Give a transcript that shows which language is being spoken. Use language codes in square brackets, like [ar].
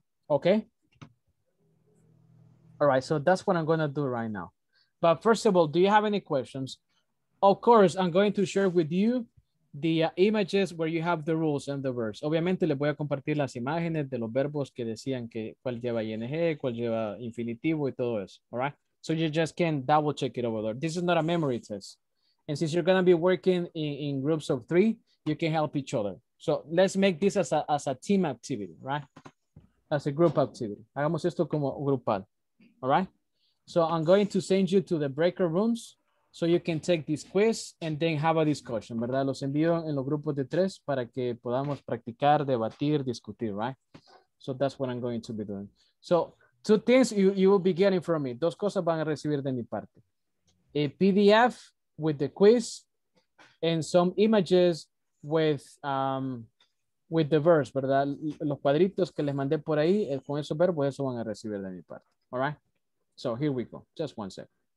[en] Okay. All right, so that's what I'm gonna do right now. But first of all, do you have any questions? Of course, I'm going to share with you the images where you have the rules and the verbs. [es] Obviamente, les voy a compartir las imágenes de los verbos que decían que cuál lleva ING, cuál lleva infinitivo y todo eso. [en] All right? So you just can double check it over there. This is not a memory test. And since you're going to be working in groups of three, you can help each other. So let's make this as a team activity, right? As a group activity. [es] Hagamos esto como grupal. [en] All right? So I'm going to send you to the breakout rooms, so you can take this quiz and then have a discussion, ¿verdad? [es] Los envío en los grupos de tres para que podamos practicar, debatir, discutir, right? [en] So that's what I'm going to be doing. So two things you will be getting from me. [es] Dos cosas van a recibir de mi parte. [en] A PDF with the quiz and some images with the verbs, ¿verdad? [es] Los cuadritos que les mandé por ahí con esos verbos, eso van a recibir de mi parte, [en] all right? So here we go, just one sec.